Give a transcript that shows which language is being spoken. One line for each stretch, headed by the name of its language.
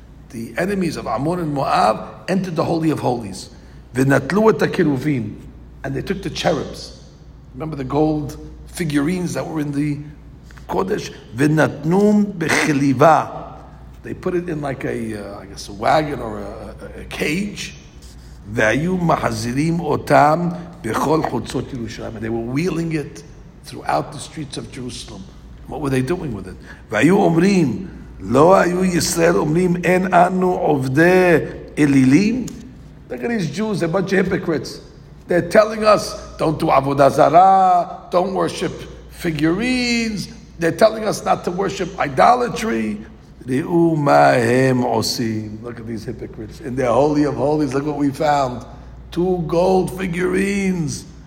English: The enemies of Amon and Moab entered the Holy of Holies.
Hebrew: V'natlu et hakeruvim,
English: and they took the cherubs. Remember the gold figurines that were in the Kodesh?
Hebrew: V'natnum b'chiliva.
English: They put it in like a wagon or a cage.
Hebrew: והיו מחזירים אותם בכל חוצות ירושלים.
English: And they were wheeling it throughout the streets of Jerusalem. What were they doing with it?
Hebrew: והיו אומרים, לא היו ישראל אומרים, אין אנו עובדי אלילים?
English: Look at these Jews, they're a bunch of hypocrites. They're telling us, don't do Avodah Zarah, don't worship figurines. They're telling us not to worship idolatry.
Hebrew: Ri'u ma hem osim.
English: Look at these hypocrites. In their holy of holies, look what we found. Two gold figurines.